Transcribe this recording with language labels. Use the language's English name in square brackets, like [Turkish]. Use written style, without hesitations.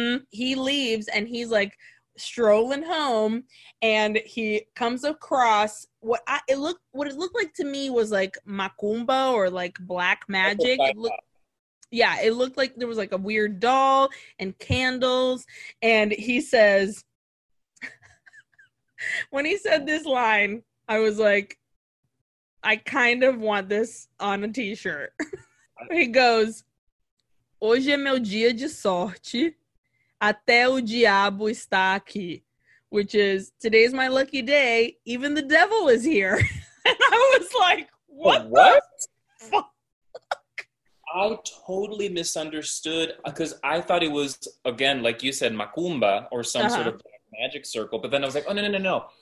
[English] He leaves and he's like strolling home and he comes across what it looked like to me was like macumba or like black magic. It looked like there was like a weird doll and candles. And he says, when he said this line, I was like, I kind of want this on a t-shirt. [Portuguese] He goes, hoje é meu dia de sorte. Até o diabo está aqui, [English] which is, today's my lucky day, even the devil is here. And I was like, what the fuck? I totally misunderstood, because I thought it was, again, like you said, macumba, or some sort of magic circle, but then I was like, oh, no.